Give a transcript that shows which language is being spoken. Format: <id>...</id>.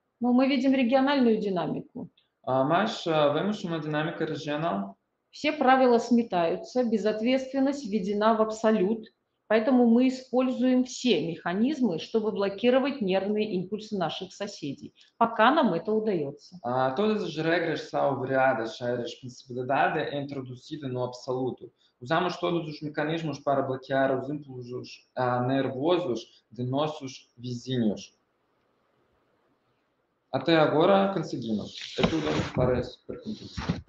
<ru>Но мы видим региональную динамику.</ru> <pt>Mas vemos uma dinâmica regional.</pt> <ru>Все правила сметаются, безответственность введена в абсолют, поэтому мы используем все механизмы, чтобы блокировать нервные импульсы наших соседей. Пока нам это удается.</ru> <pt>Todas as regras são variadas, a responsabilidade é introduzida no absoluto. Usamos todos os mecanismos para bloquear os impulsos nervosos de nossos vizinhos. Até agora conseguimos. É tudo para a supercomputação.</pt>